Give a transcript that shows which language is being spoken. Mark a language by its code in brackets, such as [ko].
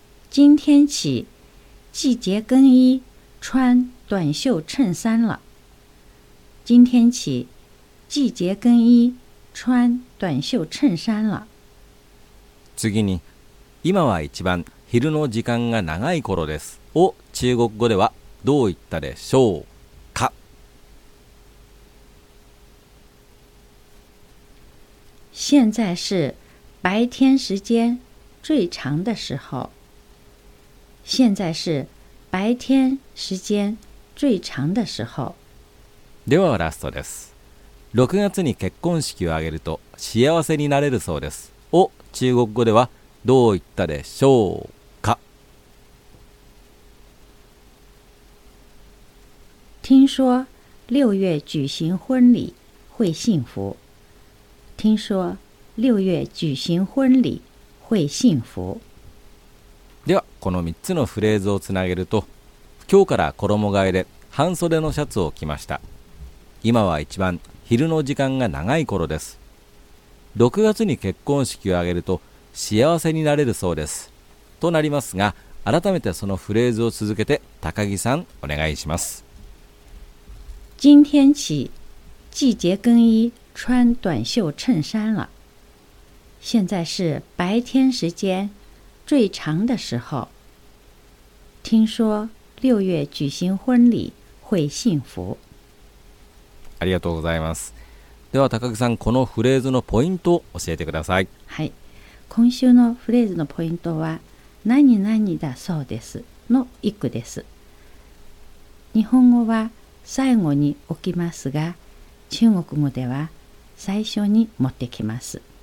[zh] 今天起季节更衣穿短袖衬衫了。今天起季节更衣穿短袖衬衫了。 [ja] 次に、今は一番昼の時間が長い頃ですを中国語ではどう言ったでしょうか？ [zh] 现在是白天时间最长的时候。现在是白天时间最长的时候。 [ja] ではラストです。 6月に結婚式を挙げると幸せになれるそうですを中国語ではどう言ったでしょうか？ [zh] 听说六月举行婚礼会幸福。听说六月举行婚礼会幸福。 [ja] では、この3つのフレーズをつなげると、今日から衣替えで半袖のシャツを着ました。今は一番昼の時間が長い頃です。6月に結婚式を挙げると幸せになれるそうですとなりますが、改めてそのフレーズを続けて高木さんお願いします。 [zh] 今天起季节更衣穿短袖衬衫了。现在是白天时间最长的时候。听说六月举行婚礼会幸福。 [ja] ありがとうございます。では高木さん、このフレーズのポイントを教えてください。はい、今週のフレーズのポイントは何々だそうですの一句です。日本語は最後に置きますが、中国語では最初に持ってきます。